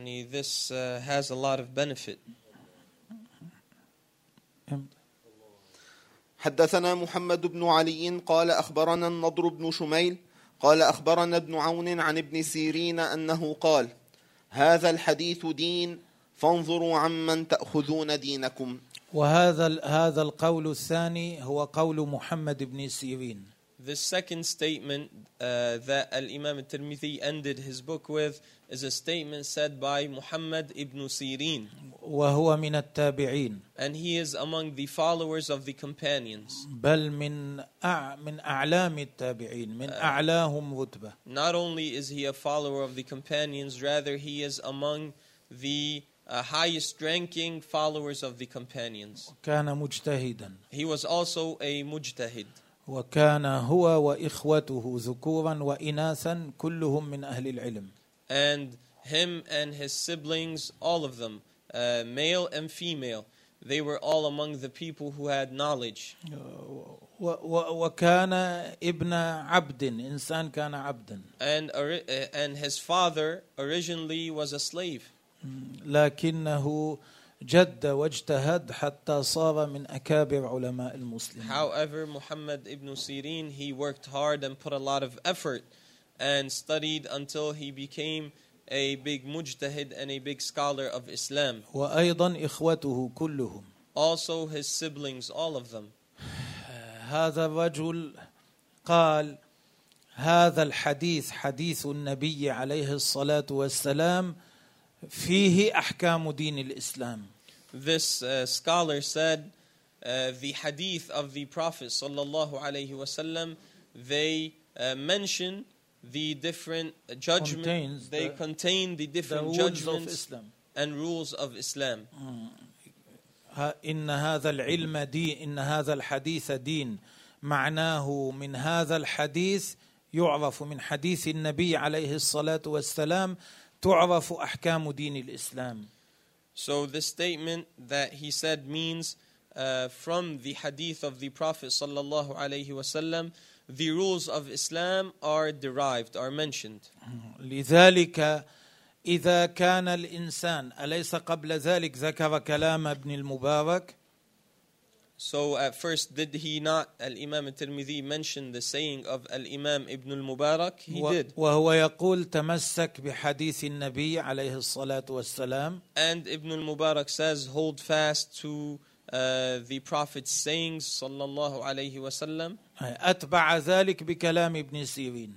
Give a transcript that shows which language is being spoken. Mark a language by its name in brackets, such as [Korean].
[English] This has a lot of benefit. [Arabic] حدثنا محمد بن علي قال أخبرنا النضر بن شميل قال أخبرنا ابن عون عن ابن سيرين أنه قال هذا الحديث دين فانظروا عمن تأخذون دينكم. وهذا القول الثاني هو قول محمد بن سيرين. [English] The second statement that Al-Imam al-Tirmidhi ended his book with is a statement said by Muhammad ibn Sirin. [Arabic] وهو من التابعين. [English] And he is among the followers of the companions. [Arabic] بل من من أعلام التابعين من أعلاهم رتبة. [English] Not only is he a follower of the companions, rather he is among the highest ranking followers of the companions. [Arabic] كان مجتهدا. [English] He was also a mujtahid. [Arabic] وكان هو وإخوته ذكورا وإناثا كلهم من أهل العلم. [English] And him and his siblings, all of them, male and female, they were all among the people who had knowledge. [Arabic] وكان ابن عبد إنسان كان عبدا. [English] And his father originally was a slave. [Arabic] لكنه جد واجتهد حتى صار من أكابر علماء المسلمين. [English] However, Muhammad ibn Sirin, he worked hard and put a lot of effort and studied until he became a big mujtahid and a big scholar of Islam. [Arabic] وأيضا إخوته كلهم. [English] Also his siblings, all of them. [Arabic] هذا الرجل قال هذا الحديث حديث النبي عليه الصلاة والسلام فيه أحكام دين الإسلام. [English] This scholar said, the hadith of the Prophet [Arabic] sallallahu alayhi wa sallam, [English] they mention the different judgments, they contain the different judgments and rules of Islam. [Arabic] إن هذا العلم دين إن هذا الحديث دين معناه من هذا الحديث يعرف من حديث النبي عليه الصلاة والسلام تعرف أحكام دين الإسلام. [English] So this statement that he said means from the hadith of the Prophet [Arabic] sallallahu alayhi wa sallam, [English] the rules of Islam are derived, are mentioned. [Arabic] لذلك إذا كان الإنسان أليس قبل ذلك ذكر كلام ابن المبارك. [English] So at first did he not, Al-Imam al-Tirmidhi mentioned the saying of Al-Imam ibn al-Mubarak? He did. [Arabic] وهو يقول تمسك بحديث النبي عليه الصلاة والسلام. [English] And ibn al-Mubarak says hold fast to the Prophet's sayings [Arabic] sallallahu alayhi wa sallam. أتبع ذلك بكلام ابن سيرين.